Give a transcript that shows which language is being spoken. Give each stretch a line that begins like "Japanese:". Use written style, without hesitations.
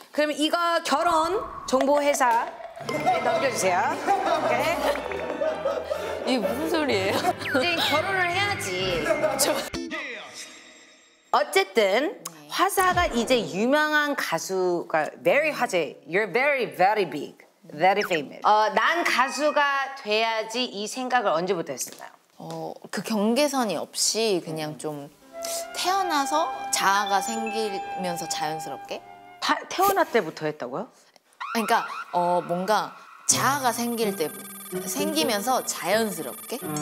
Korean: 그럼 이거 결혼 정보 회사에 넘겨주세요. 오케이. 이게 무슨 소리예요? 이제 결혼을 해야지. 어쨌든. 화사가 이제 유명한 가수가 very 화제.
English: You're very very big, very famous.
Korean: 난 가수가 돼야지 이 생각을 언제부터 했었나요? 그 경계선이 없이 그냥 좀 태어나서 자아가 생기면서 자연스럽게. 태어날 때부터 했다고요? 그러니까 뭔가 자아가 생길 때 생기면서 자연스럽게.